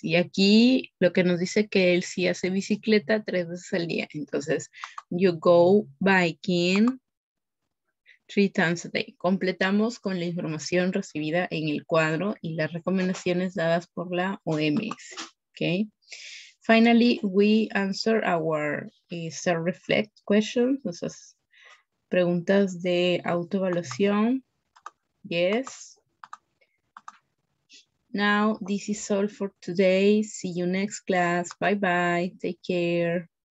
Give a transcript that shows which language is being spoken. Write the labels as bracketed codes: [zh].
[es] Y aquí lo que nos dice que él sí hace bicicleta 3 veces al día. [en] Entonces, you go biking 3 times a day. [es] Completamos con la información recibida en el cuadro y las recomendaciones dadas por la OMS. [en] Okay. Finally, we answer our self-reflect questions. [es] Esas preguntas de autoevaluación. [en] Yes. Now, this is all for today. See you next class. Bye-bye. Take care.